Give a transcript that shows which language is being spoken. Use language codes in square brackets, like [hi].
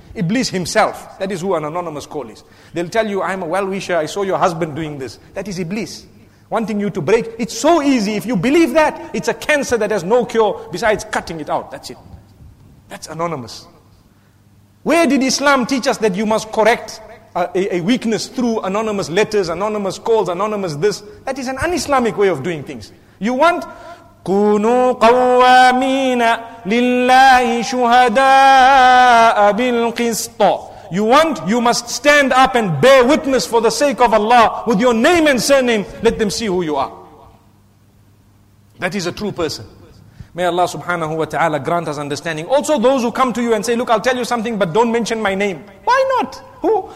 [en] Iblis himself. That is who an anonymous call is. They'll tell you, I'm a well-wisher, I saw your husband doing this. That is iblis. Wanting you to break. It's so easy. If you believe that, it's a cancer that has no cure besides cutting it out. That's it. That's anonymous. Where did Islam teach us that you must correct a weakness through anonymous letters, anonymous calls, anonymous this? That is an un-Islamic way of doing things. You want [ar] كُنُوا قَوَّامِينَ لِلَّهِ شُهَدَاءَ بِالْقِسْطَ. [en] You want, you must stand up and bear witness for the sake of Allah with your name and surname. Let them see who you are. That is a true person. May Allah subhanahu wa ta'ala grant us understanding. Also those who come to you and say, look, I'll tell you something, but don't mention my name. Why not? Who?